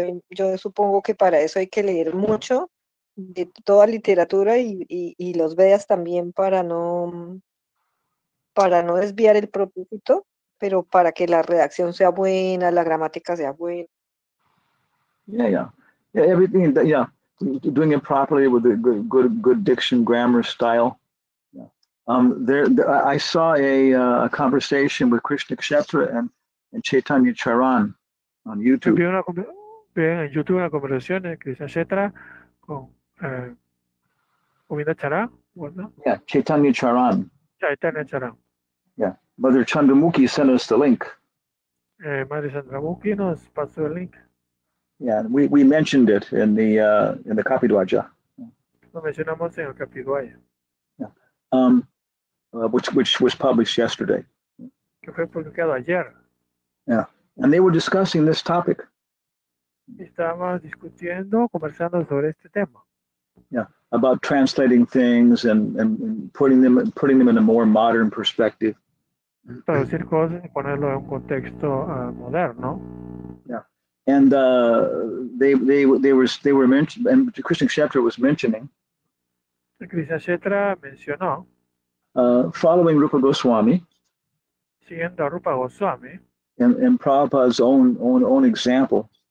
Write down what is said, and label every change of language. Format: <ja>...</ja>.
<es>Yo supongo que para eso hay que leer mucho de toda literatura y los Vedas también para no desviar el propósito, pero para que la redacción sea buena, la gramática sea buena.</es> <en>Yeah, everything. Yeah, doing it properly with a good diction, grammar, style. Yeah. There I saw a conversation with Krishna Kshetra and Chaitanya Charan on YouTube.</en> <es>En YouTube una conversación de Krishna Kshetra con Govinda Charan, ¿no?</es> <en>Yeah, Chaitanya Charan. Chaitanya Charan. Yeah, Mother Chandramukhi sent us the link.</en> <es>Madre Chandramukhi nos pasó el link.</es> <en>Yeah, we mentioned it in the Kapidwaja.</en> <es>Lo mencionamos en el Kapidwaja.</es> <en>Yeah. Which was published yesterday.</en> <es>Que fue publicado ayer.</es> <en>Yeah, and they were discussing this topic.</en> <es>Estábamos discutiendo, conversando sobre este tema.</es> <en>Yeah, about translating things and putting them in a more modern perspective.</en> <es>Traducir cosas y ponerlo en un contexto moderno.</es> <en>Yeah. And they were mentioned, and Krishna Kshetra was mentioning.</en> <es>Krishna Kshetra mencionó.</es> <en>Following Rupa Goswami.</en> <es>Siguiendo a Rupa Goswami.</es> <en>And Prabhupada's own example.</en>